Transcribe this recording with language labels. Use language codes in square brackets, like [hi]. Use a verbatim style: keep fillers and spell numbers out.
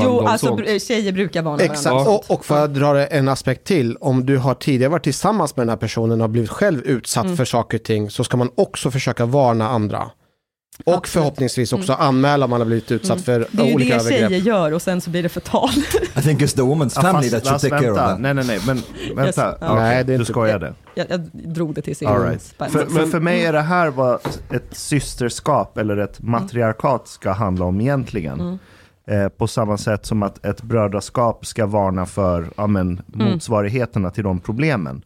[sv] Jo, alltså br- tjejer brukar varna Exakt. varandra. Och, och för att dra en aspekt till, om du har tidigare varit tillsammans med den här personen och har blivit själv utsatt mm. för saker och ting, så ska man också försöka varna andra. Och absolut. Förhoppningsvis också mm. anmäla om man har blivit utsatt mm. för olika övergrepp. Det är ju det tjejer gör och sen så blir det förtal. [en] I think it's the woman's family that should take care of that. [sv] Nej, nej, nej. Men vänta. [en] Yes. Okay. [sv] Nej, det är du skojade. Jag, jag, jag drog det till sig. [en] All right. [sv] för, för, för mig är det här vad ett systerskap eller ett matriarkat ska handla om egentligen. Mm. Eh, på samma sätt som att ett brödraskap ska varna för ja, men, motsvarigheterna till de problemen.